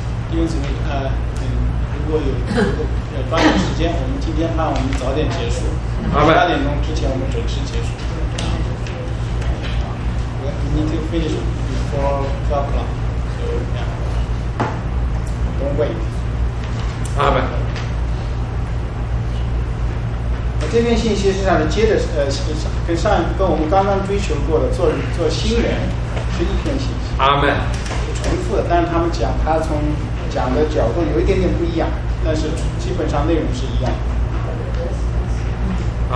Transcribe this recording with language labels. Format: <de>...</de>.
<zh>弟兄姊妹，如果有抓紧时间，我们今天让我们早点结束，八点钟之前我们准时结束。</zh> <en>We need to finish before 12 o'clock, so yeah, don't wait.</en> <zh>阿们。这篇信息实际上是接着跟我们刚刚追求过的做新人是一篇信息。阿们。重复的，但是他们讲，他从讲的角度有一点点不一样，但是基本上内容是一样的。</zh>